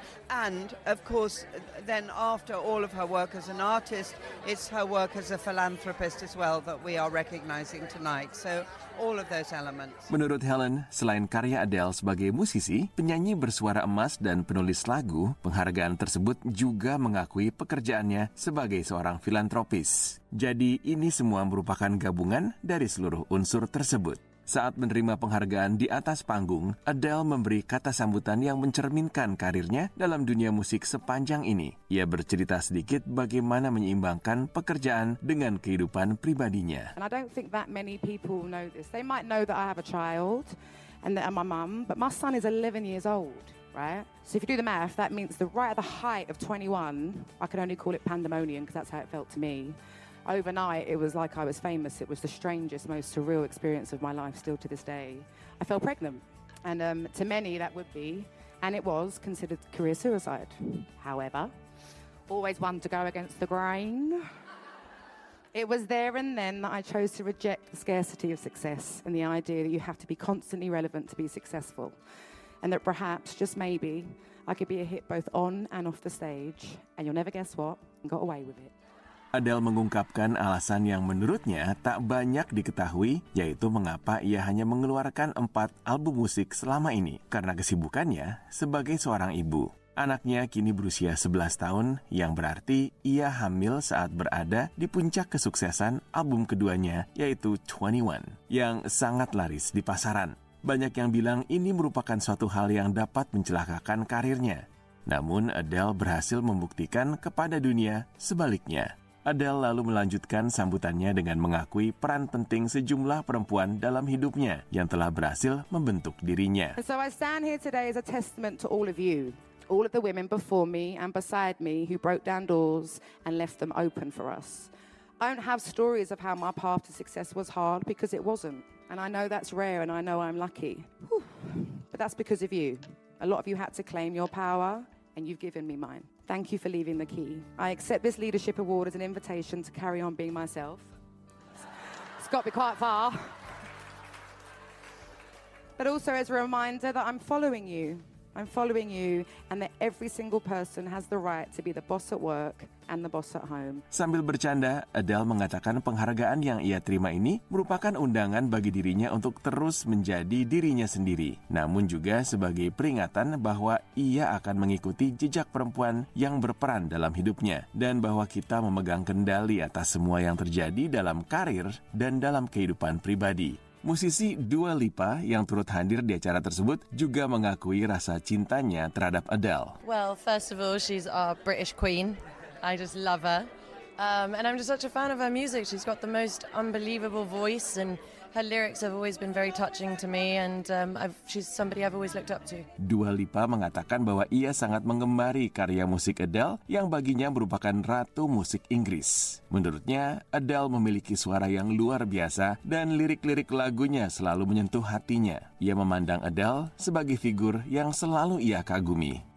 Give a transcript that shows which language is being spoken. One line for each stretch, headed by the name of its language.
English: And of course, then after all of her work as an artist, it's her work as a philanthropist as well that we are recognizing tonight. So all of those elements.
Indonesian: Menurut Helen, selain karya Adele sebagai musisi, penyanyi bersuara emas dan penulis lagu, penghargaan tersebut juga mengakui pekerjaannya sebagai seorang filantropis. Jadi ini semua merupakan gabungan dari seluruh unsur tersebut. Saat menerima penghargaan di atas panggung, Adele memberi kata sambutan yang mencerminkan karirnya dalam dunia musik sepanjang ini. Ia bercerita sedikit bagaimana menyeimbangkan pekerjaan dengan kehidupan pribadinya.
English: And I don't think that many people know this. They might know that I have a child and that I'm a mum, but my son is 11 years old, right? So if you do the math, that means the right at the height of 21, I can only call it pandemonium because that's how it felt to me. Overnight, it was like I was famous. It was the strangest, most surreal experience of my life still to this day. I fell pregnant. And to many, that would be, and it was, considered career suicide. However, always one to go against the grain. It was there and then that I chose to reject the scarcity of success and the idea that you have to be constantly relevant to be successful. And that perhaps, just maybe, I could be a hit both on and off the stage. And you'll never guess what, and got away with it.
Indonesian: Adele mengungkapkan alasan yang menurutnya tak banyak diketahui, yaitu mengapa ia hanya mengeluarkan 4 album musik selama ini, karena kesibukannya sebagai seorang ibu. Anaknya kini berusia 11 tahun, yang berarti ia hamil saat berada di puncak kesuksesan album keduanya, yaitu 21, yang sangat laris di pasaran. Banyak yang bilang ini merupakan suatu hal yang dapat mencelakakan karirnya. Namun Adele berhasil membuktikan kepada dunia sebaliknya. Adele lalu melanjutkan sambutannya dengan mengakui peran penting sejumlah perempuan dalam hidupnya yang telah berhasil membentuk dirinya.
English: And so I stand here today as a testament to all of you, all of the women before me and beside me who broke down doors and left them open for us. I don't have stories of how my path to success was hard, because it wasn't. And I know that's rare, and I know I'm lucky. Whew. But that's because of you. A lot of you had to claim your power, and you've given me mine. Thank you for leaving the key. I accept this leadership award as an invitation to carry on being myself. It's got me quite far. But also as a reminder that I'm following you. I'm following you, and that every single person has the right to be the boss at work and the boss at home.
Indonesian: Sambil bercanda, Adele mengatakan penghargaan yang ia terima ini merupakan undangan bagi dirinya untuk terus menjadi dirinya sendiri. Namun juga sebagai peringatan bahwa ia akan mengikuti jejak perempuan yang berperan dalam hidupnya. Dan bahwa kita memegang kendali atas semua yang terjadi dalam karir dan dalam kehidupan pribadi. Musisi Dua Lipa yang turut hadir di acara tersebut juga mengakui rasa cintanya terhadap Adele.
English: Well, first of all, she's our British queen. I just love her. And I'm just such a fan of her music. She's got the most unbelievable voice, and her lyrics have always been very touching to me, and she's somebody I've always looked up to.
Indonesian: Dua Lipa mengatakan bahwa ia sangat mengemari karya musik Adele yang baginya merupakan ratu musik Inggris. Menurutnya, Adele memiliki suara yang luar biasa dan lirik-lirik lagunya selalu menyentuh hatinya. Ia memandang Adele sebagai figur yang selalu ia kagumi.